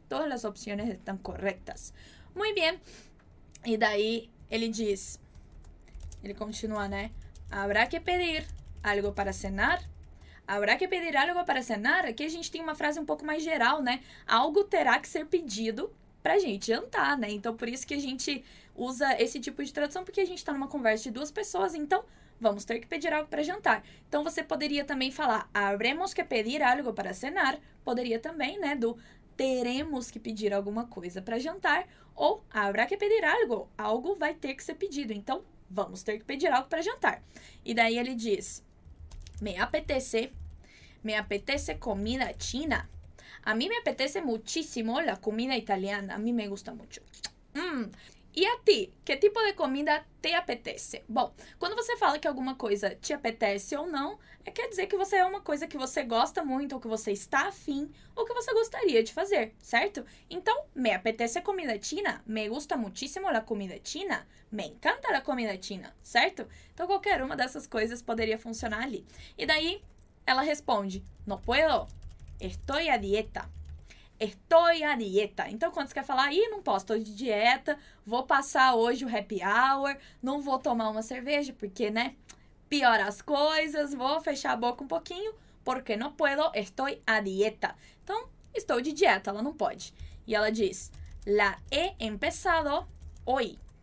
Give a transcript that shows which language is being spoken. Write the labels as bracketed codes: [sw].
[es] Todas las opciones están correctas. Muy bien. Y de ahí, él continúa, ¿no? Habrá que pedir algo para cenar. Habrá que pedir algo para cenar. [pt] Aquí a gente tem uma frase um pouco mais geral, né? Algo terá que ser pedido pra gente jantar, né? Então, por isso que a gente usa esse tipo de tradução, porque a gente tá numa conversa de duas pessoas, então... Vamos ter que pedir algo para jantar. Então, você poderia também falar [es] habremos que pedir algo para cenar. [pt] Poderia também, né, do teremos que pedir alguma coisa para jantar. Ou [es] habrá que pedir algo. [pt] Algo vai ter que ser pedido. Então, vamos ter que pedir algo para jantar. E daí ele diz [es] Me apetece comida china. A mí me apetece muchísimo la comida italiana. A mí me gusta mucho. E a ti, que tipo de comida te apetece? [pt] Bom, quando você fala que alguma coisa te apetece ou não, é quer dizer que você é uma coisa que você gosta muito, ou que você está afim, ou que você gostaria de fazer, certo? [es] Então, me apetece comida china, me gusta muchísimo la comida china, me encanta la comida china, certo? [pt] Então, qualquer uma dessas coisas poderia funcionar ali. E daí, ela responde, [es] no puedo, estoy a dieta. Estoy a dieta. [pt] Então, quando você quer falar, ih, não posso, estou de dieta, vou passar hoje o happy hour, não vou tomar uma cerveja, porque, né, piora as coisas, vou fechar a boca um pouquinho, porque [es] no puedo, estoy a dieta. [pt] Então, estou de dieta, ela não pode. E ela diz, [es] la he empezado hoy.